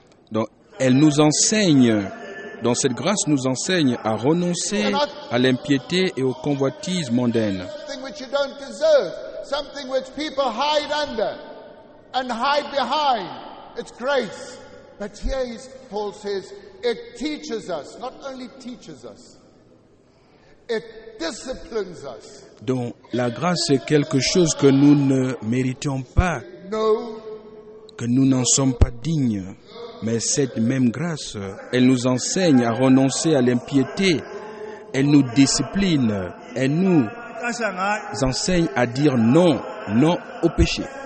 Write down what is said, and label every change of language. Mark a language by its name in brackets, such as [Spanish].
[French] Donc, elle nous enseigne, dans cette grâce, nous enseigne à renoncer à l'impiété et aux convoitises mondaines. [English] Something which you don't deserve, something which people hide under and hide behind. It's grace. But here Paul says, it teaches us, not only teaches us, it disciplines us. [French] Donc la grâce est quelque chose que nous ne méritons pas, que nous n'en sommes pas dignes. Mais cette même grâce, elle nous enseigne à renoncer à l'impiété, elle nous discipline, elle nous enseigne à dire non, non au péché.